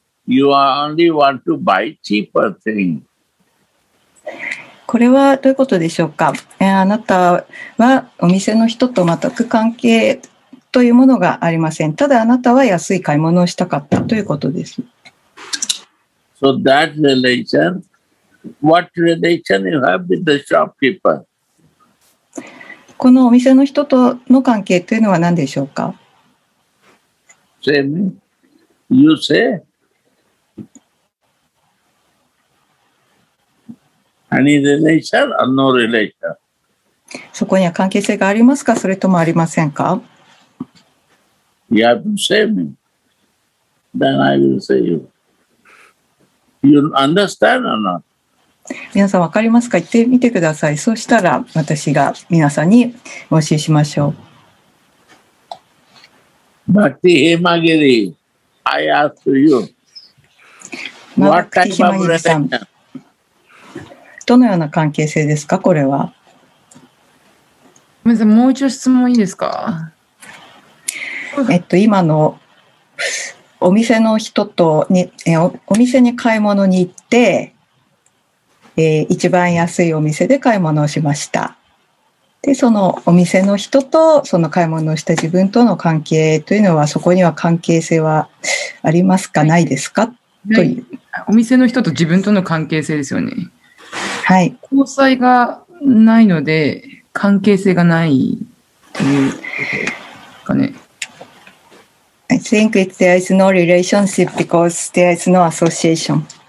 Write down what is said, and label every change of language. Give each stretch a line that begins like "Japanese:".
English: You are only want to buy cheaper things.
Japanese: これはどういうことでしょうか、あなたはお店の人と全く関係というものがありません。ただあなたは安い買い物をしたかったということです。
English: So that relation, what relation you have with the shopkeeper?
Japanese: このお店の人との関係というのは何でしょうか
English: Same. You say? Any relation or no relation?
Japanese: そこには関係性がありますか、それともありませんか?
English: You have to say me. Then I will say you. You understand or not?
Japanese: 皆さん分かりますか?言ってみてください。そうしたら私が皆さんにお教えしましょう。
English: Bhakti Hemagiri, I ask you, what type of relation?
Japanese: どのような関係性ですか、これは。もう一度質問いいですか。今のお店の人とに、お店に買い物に行って、一番安いお店で買い物をしました。で、そのお店の人とその買い物をした自分との関係というのは、そこには関係性はありますか、ないですか、という。お店の人と自分との関係性ですよね。はい、交際がないので関係性がないというかね。
English: I think it, there is no relationship because there is no association.